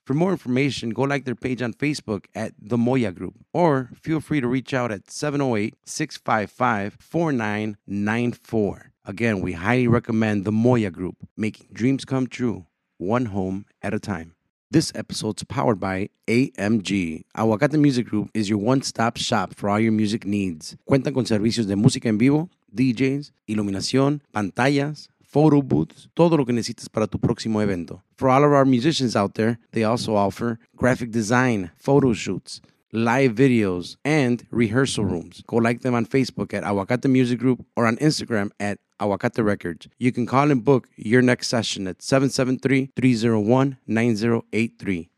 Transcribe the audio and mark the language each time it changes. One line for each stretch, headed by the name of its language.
English: For more information, go like their page on Facebook at The Moya Group, or feel free to reach out at 708-655-4994. Again, we highly recommend The Moya Group, making dreams come true, one home at a time. This episode's powered by AMG. Aguacate Music Group is your one-stop shop for all your music needs.
Spanish: Cuenta con servicios de música en vivo, DJs, iluminación, pantallas, photo booths, todo lo que necesites para tu próximo evento.
English: For all of our musicians out there, they also offer graphic design, photo shoots, live videos, and rehearsal rooms. Go like them on Facebook at Aguacate Music Group or on Instagram at Aguacate Records. You can call and book your next session at 773-301-9083.